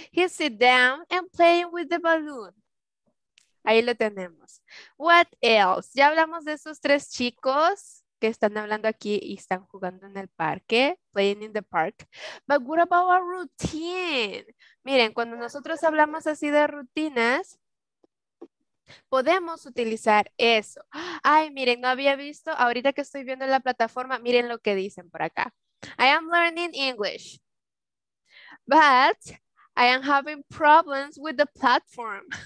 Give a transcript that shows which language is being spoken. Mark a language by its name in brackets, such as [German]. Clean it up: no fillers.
[English] He sit down and playing with the balloon. [Spanish] Ahí lo tenemos. [English] What else? [Spanish] Ya hablamos de esos tres chicos que están hablando aquí y están jugando en el parque. [English] Playing in the park. But what about our routine? [Spanish] Miren, cuando nosotros hablamos así de rutinas, podemos utilizar eso. Ay, miren, no había visto. Ahorita que estoy viendo la plataforma, miren lo que dicen por acá. [English] I am learning English, but I am having problems with the platform.